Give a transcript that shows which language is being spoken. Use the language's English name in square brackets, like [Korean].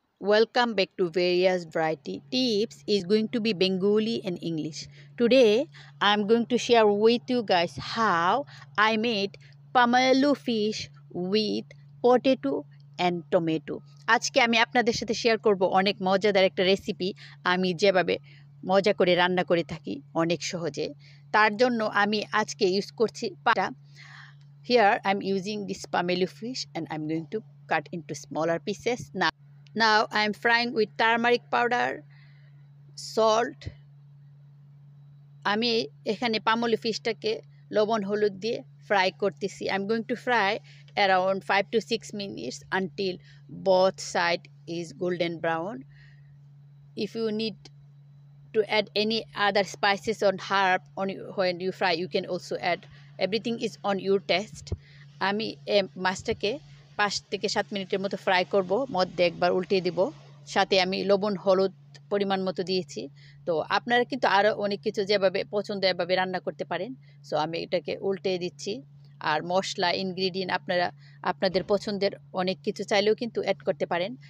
[English] Welcome back to various variety tips. It's going to be Bengali and English. Today I'm going to share with you guys how I made pomelo fish with potato and tomato. [Bangla] আজকে আমি আপনাদের সাথে share করব অনেক মজাদার একটা recipe আমি যেভাবে মজা করে রান্না করে থাকি অনেক সহজে। তার জন্য আমি আজকে ইউজ করছি পাটা। [English] Here I'm using this pomelo fish and I'm going to cut into smaller pieces. Now I am frying with turmeric powder, salt. [Bangla] আমি এখানে পামলি ফিশটাকে লবণ হলুদ দিয়ে ফ্রাই করতেছি. [English] I'm going to fry around 5 to 6 minutes until both side is golden brown. If you need to add any other spices or herb when you fry, you can also add. Everything is on your taste. [Bangla] আমি মাছটাকে 5 থেকে 7 মিনিটের মতো fry করব, মধ্যে একবার উল্টিয়ে দিব, সাথে আমি লবণ হলুদ পরিমাণ মতো দিয়েছি। তো আপনারা কিন্তু আরও অনেক কিছু যেভাবে পছন্দ এভাবে রান্না করতে পারেন। সো আমি এটাকে উল্টিয়ে দিচ্ছি আর মশলা ইনগ্রিডিয়েন্ট আপনারা আপনাদের পছন্দের অনেক কিছু চাইলেও কিন্তু অ্যাড করতে পারেন।